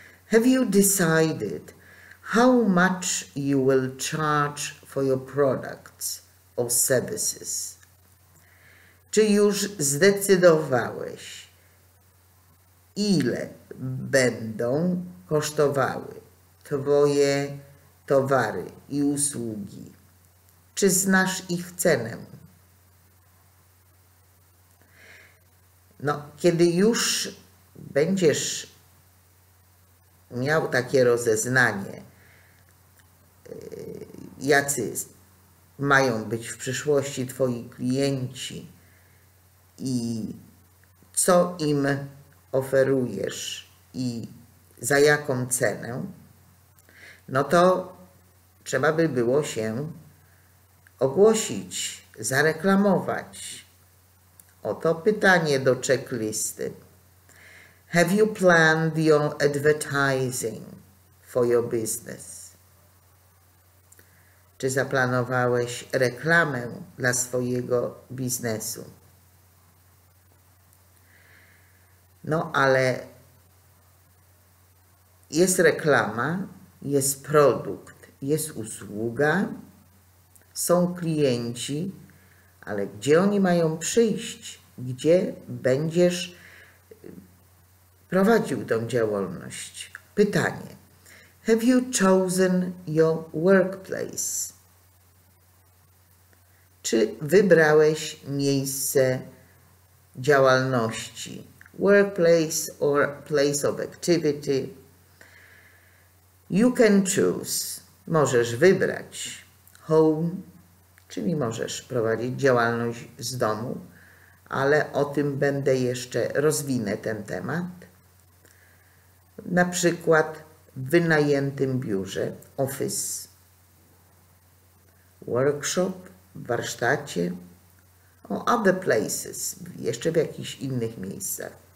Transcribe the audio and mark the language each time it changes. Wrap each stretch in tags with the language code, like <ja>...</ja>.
<en>Have you decided how much you will charge for your products or services?</en> <pl>Czy już zdecydowałeś, ile będą kosztowały twoje towary i usługi? Czy znasz ich cenę? No, kiedy już będziesz miał takie rozeznanie, jacy mają być w przyszłości twoi klienci i co im oferujesz i za jaką cenę, no to trzeba by było się ogłosić, zareklamować. Oto pytanie do checklisty.</pl> <en>Have you planned your advertising for your business?</en> <pl>Czy zaplanowałeś reklamę dla swojego biznesu? No, ale jest reklama, jest produkt, jest usługa, są klienci, ale gdzie oni mają przyjść? Gdzie będziesz prowadził tą działalność? Pytanie.</pl> <en>Have you chosen your workplace?</en> <pl>Czy wybrałeś miejsce działalności?</pl> <en>Workplace or place of activity? You can choose.</en> <pl>Możesz wybrać. Home, czyli możesz prowadzić działalność z domu, ale o tym będę jeszcze, rozwinę ten temat. Na przykład w wynajętym biurze, office, workshop, warsztacie,</pl> <en>or other places,</en> <pl>jeszcze w jakichś innych miejscach.</pl>